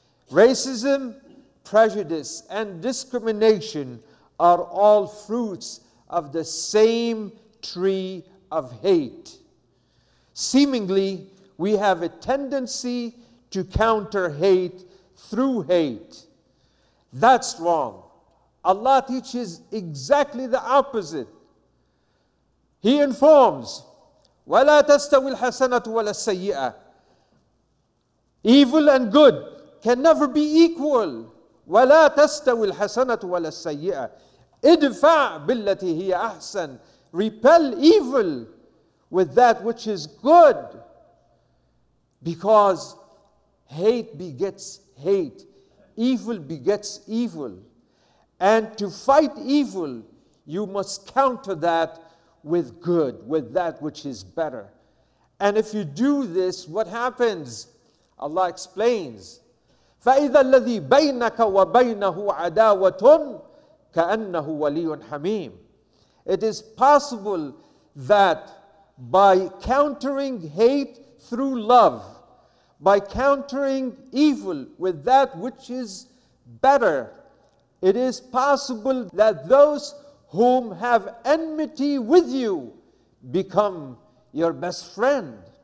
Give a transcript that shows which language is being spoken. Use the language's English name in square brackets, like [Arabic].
[English] Racism, prejudice, and discrimination are all fruits of the same tree of hate. Seemingly, we have a tendency to counter hate through hate. That's wrong. Allah teaches exactly the opposite. He informs, [Arabic] وَلَا تَسْتَوِي الْحَسَنَةُ وَلَا السَّيِّئَةُ. [English] Evil and good can never be equal. [Arabic] وَلَا تَسْتَوِي الْحَسَنَةُ وَلَا السَّيِّئَةُ. اِدْفَعْ بِالَّتِي هِيَ أَحْسَنُ. [English] Repel evil with that which is good. Because hate begets hate, evil begets evil. And to fight evil, you must counter that with good, with that which is better. And if you do this, what happens? Allah explains, [Arabic] فَإِذَا الَّذِي بَيْنَكَ وَبَيْنَهُ عَدَاوَةٌ كَأَنَّهُ وَلِيٌّ حَمِيمٌ. [English] It is possible that by countering hate through love, by countering evil with that which is better, it is possible that those whom have enmity with you become your best friend.